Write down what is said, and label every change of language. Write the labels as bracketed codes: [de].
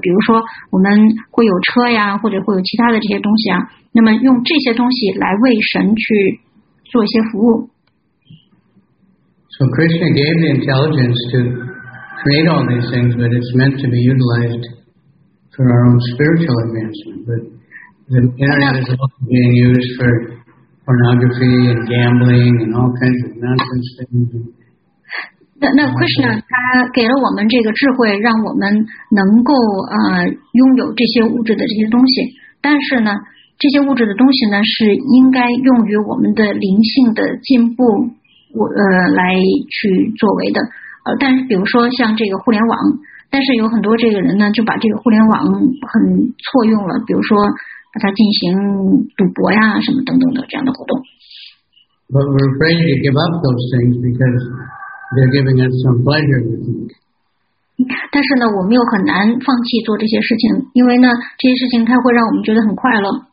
[zh] 比如说，我们会有车呀，或者会有其他的这些东西啊。那么用这些东西来为神去做一些服务。 [en] So Krishna gave the intelligence to create all these things, but it's meant to be utilized for our own spiritual advancement. But the internet is also being used for pornography and gambling and all kinds of nonsense things. [zh] 那 Krishna 他给了我们这个智慧，让我们能够拥有这些物质的这些东西。但是呢，这些物质的东西呢，是应该用于我们的灵性的进步，来去作为的。但是比如说像这个互联网，但是有很多这个人呢，就把这个互联网很错用了，比如说把它进行赌博呀，什么等等的这样的活动。 [en] But we're afraid to give up those things because they're giving us some pleasure, we think. [zh] 但是呢，我们又很难放弃做这些事情，因为呢，这些事情它会让我们觉得很快乐。